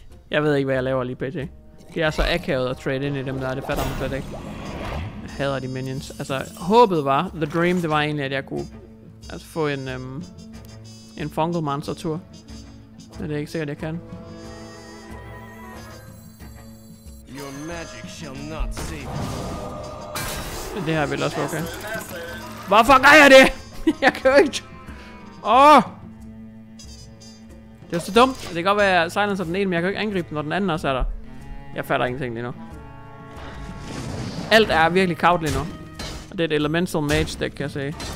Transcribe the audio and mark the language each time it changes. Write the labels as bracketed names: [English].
[Danish] Jeg ved ikke, hvad jeg laver lige pt. Det er så akavet at trade ind i dem der. Det fatter man slet ikke. Jeg hader de minions. Altså, håbet var, the dream, det var egentlig, at jeg kunne altså få en en Fungal Monster tur. Men det er ikke sikkert, jeg kan. [English] Your magic shall not save you. [Danish] Men det her vil også være okay. Hvorfor gør jeg det? Jeg kan jo ikke. Åh! Det er så dumt. Det kan godt være, at Silence er den ene, men jeg kan ikke angribe den, når den anden også er der. Jeg fatter ingenting lige nu. Alt er virkelig kaut lige nu. Og det er et Elemental Mage deck, kan jeg sige.